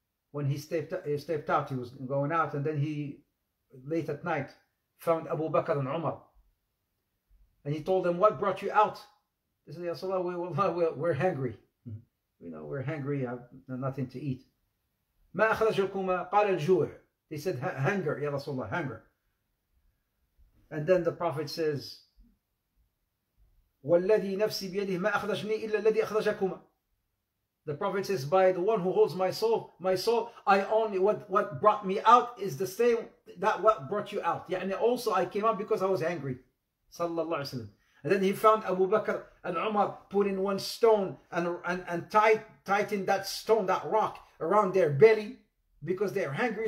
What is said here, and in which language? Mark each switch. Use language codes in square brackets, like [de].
[en] When he stepped out, he was going out, and then he, late at night, found Abu Bakr and Umar. And he told them, what brought you out? They said, Ya Salah, we're hungry. You know, we're hungry, I have nothing to eat. [ar] مَا أَخْرَجَكُمَا قَالَ الْجُوعِ. [en] They said, hunger, Ya Rasulullah, hunger. And then the Prophet says, [ar] وَالَّذِي نَفْسِي بِيَدِهِ مَا أَخْرَجْنِي إِلَّا الَّذِي أَخْرَجَكُمَا. [en] The Prophet says, by the one who holds my soul, I only, what brought me out is the same that what brought you out. Yeah, and also I came out because I was angry. Sallallahu alayhi wa sallam. And then he found Abu Bakr and Umar putting one stone and tighten that stone, that rock, around their belly because they're hungry.